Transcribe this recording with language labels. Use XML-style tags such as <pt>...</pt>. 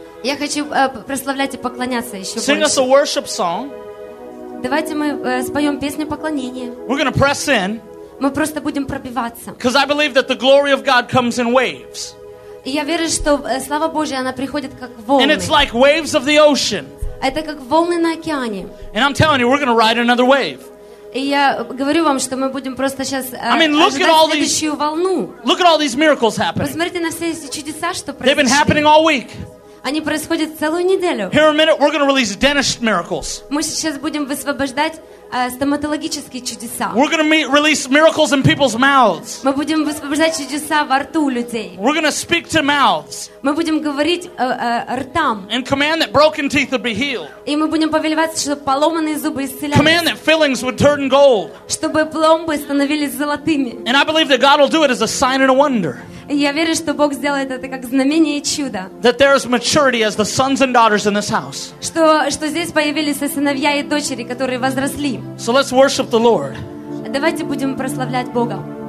<ru>Я хочу прославлять и поклоняться еще</ru> <en>Sing</en> <ru>больше.</ru> <en>Us a worship song.</en> <ru>Давайте мы споем песню поклонения.</ru> <en>We're gonna press in.</en> <ru>Мы просто будем пробиваться.</ru> <en>Because I believe that the glory of God comes in waves.</en> <ru>И я верю, что слава Божья, она приходит как волны.</ru> <en>And it's like waves of the ocean.</en> <ru>Это как волны на океане.</ru> <en>And I'm telling you, we're going to ride another wave.</en> <ru>И я говорю вам, что мы будем просто сейчас следующую волну.</ru> <en>Look at all these miracles happening.</en> <ru>Посмотрите на все эти чудеса, что происходят.</ru> <en>They've been happening all week.</en> <ru>Они происходят целую неделю.</ru> <en>Here in a minute, we're going to release dentist miracles.</en> <ru>Мы сейчас будем высвобождать стоматологические чудеса.</ru> <en>We're going to release miracles in people's mouths.</en> <ru>Мы будем высвобождать чудеса во рту людей.</ru> <en>We're going to speak to mouths.</en> <ru>Мы будем говорить ртам.</ru> <en>And command that broken teeth would be healed.</en> <ru>И мы будем повелевать, чтобы поломанные зубы исцелялись.</ru> <en>Command that fillings would turn gold.</en> <ru>Чтобы пломбы становились золотыми.</ru> <en>And I believe that God will do it as a sign and a wonder.</en> <ru>И я верю, что Бог сделает это как знамение и чудо.</ru> <en>That there is maturity as the sons and daughters in this house.</en> <ru>Что здесь появились сыновья и дочери, которые возросли.</ru> <en>So let's worship the Lord.</en> <ru>Давайте будем прославлять Бога.</ru>